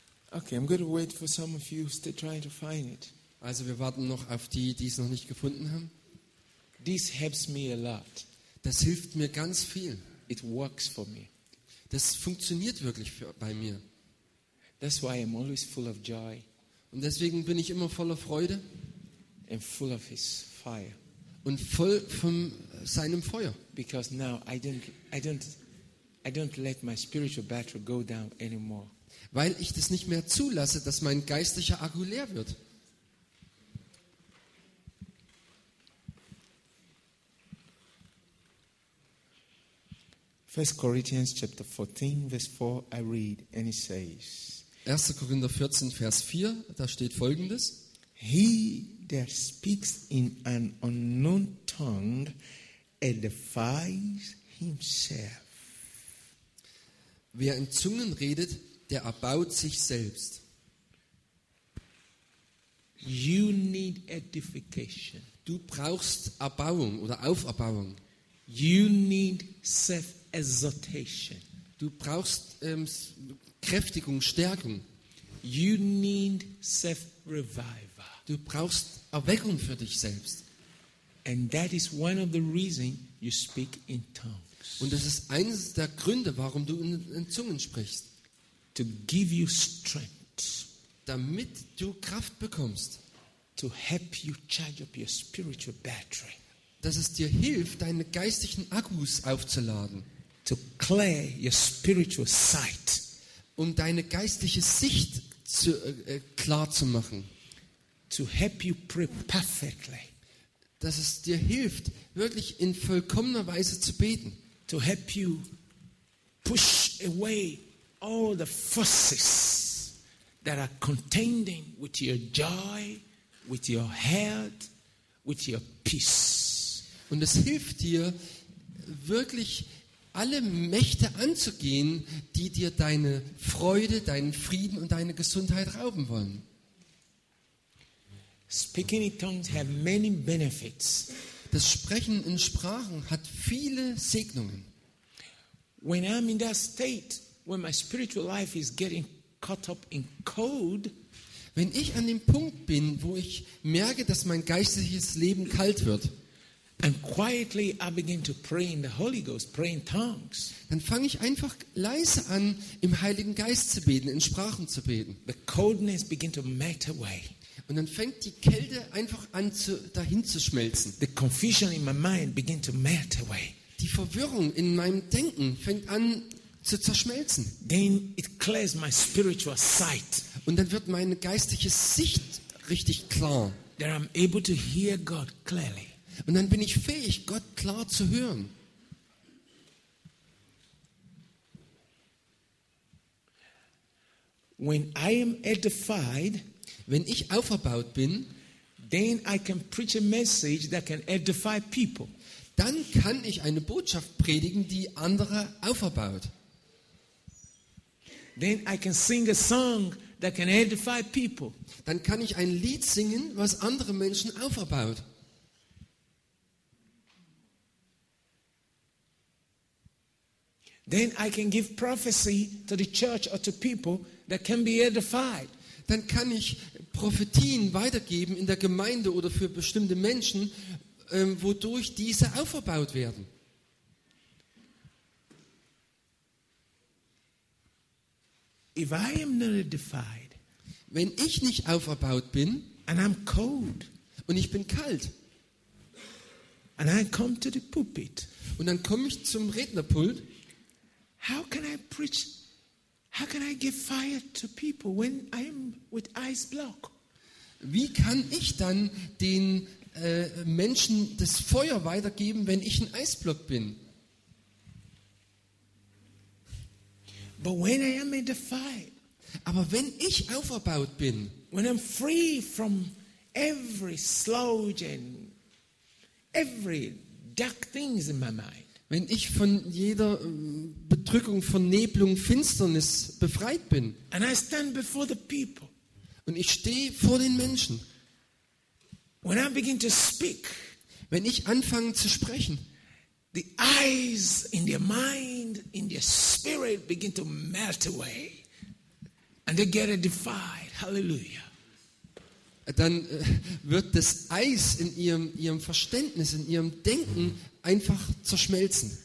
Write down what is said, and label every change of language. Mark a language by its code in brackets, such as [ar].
[en] Okay, I'm going to wait for some of you still trying to find it. [de] Also, wir warten noch auf die, die es noch nicht gefunden haben. [en] This helps me a lot. [de] Das hilft mir ganz viel. [en] It works for me. [de] Das funktioniert wirklich bei mir. [en] That's why I'm always full of joy. [de] Und deswegen bin ich immer voller Freude. [en] And full of his fire. [de] Und voll von seinem Feuer. [en] Because now I don't let my spiritual battery go down anymore. [de] Weil ich das nicht mehr zulasse, dass mein geistlicher Akku leer wird. [en] First Corinthians chapter 14, verse 4, I read, and it says. [de] 1. Korinther 14, Vers 4, da steht Folgendes: [en] He that speaks in an unknown tongue edifies himself. [de] Wer in Zungen redet, der erbaut sich selbst. [en] You need edification. [de] Du brauchst Erbauung oder Auferbauung. [en] You need self-exaltation. [de] Du brauchst Kräftigung, Stärkung. [en] You need self-revival. [de] Du brauchst Erweckung für dich selbst. [en] And that is one of the reasons you speak in tongues. [de] Und das ist eines der Gründe, warum du in Zungen sprichst. [en] To give you strength, [de] damit du Kraft bekommst, [en] to help you charge up your spiritual battery, [de] dass es dir hilft, deine geistigen Akkus aufzuladen, [en] to clear your spiritual sight, [de] um deine geistliche Sicht zu klar zu machen, [en] to help you pray perfectly, [de] dass es dir hilft, wirklich in vollkommener Weise zu beten, [en] to help you push away all the forces that are contending with your joy, with your health, with your peace. [de] Und es hilft dir, wirklich alle Mächte anzugehen, die dir deine Freude, deinen Frieden und deine Gesundheit rauben wollen. [en] Speaking in tongues have many benefits. [de] Das Sprechen in Sprachen hat viele Segnungen. [en] When I'm in that state, when my spiritual life is getting caught up in code, [de] wenn ich an dem Punkt bin, wo ich merke, dass mein geistliches Leben kalt wird, [en] And quietly I begin to pray in the Holy Ghost, pray in tongues. [de] Dann fange ich einfach leise an, im Heiligen Geist zu beten, in Sprachen zu beten. [en] The coldness begin to melt away. [de] Und dann fängt die Kälte einfach an, dahin zu schmelzen. [en] The confusion in my mind begin to melt away. [de] Die Verwirrung in meinem Denken fängt an zu zerschmelzen. [en] Then it clears my spiritual sight. [de] Und dann wird meine geistige Sicht richtig klar. [en] Then I'm able to hear God clearly. [de] Und dann bin ich fähig, Gott klar zu hören. [en] When I am edified, [de] wenn ich aufgebaut bin, [en] then I can preach a message that can edify people. [de] Dann kann ich eine Botschaft predigen, die andere aufbaut. [en] Then I can sing a song that can edify people. [de] Dann kann ich ein Lied singen, was andere Menschen aufbaut. [en] Then I can give prophecy to the church or to people that can be edified. [de] Dann kann ich Prophetien weitergeben in der Gemeinde oder für bestimmte Menschen, wodurch diese aufgebaut werden. [en] If I am not edified, [de] wenn ich nicht aufgebaut bin, [en] and I'm cold, [de] und ich bin kalt, [en] and I come to the pulpit, [de] und dann komme ich zum Rednerpult, [en] how can I preach? How can I give fire to people when I am with eyes blocked? [de] Wie kann ich dann den Menschen das Feuer weitergeben, wenn ich ein Eisblock bin? [en] But when I am in the fire, [de] aber wenn ich aufgebaut bin, [en] when I'm free from every slogan, every dark things in my mind. [de] Wenn ich von jeder Bedrückung, von Nebelung, Finsternis befreit bin. [en] And I stand before the people. [de] Und ich stehe vor den Menschen. [en] When I begin to speak, [de] wenn ich anfange zu sprechen, [en] the eyes in their mind, in their spirit begin to melt away. And they get edified. Hallelujah. [de] Dann wird das Eis in ihrem Verständnis, in ihrem Denken einfach zerschmelzen.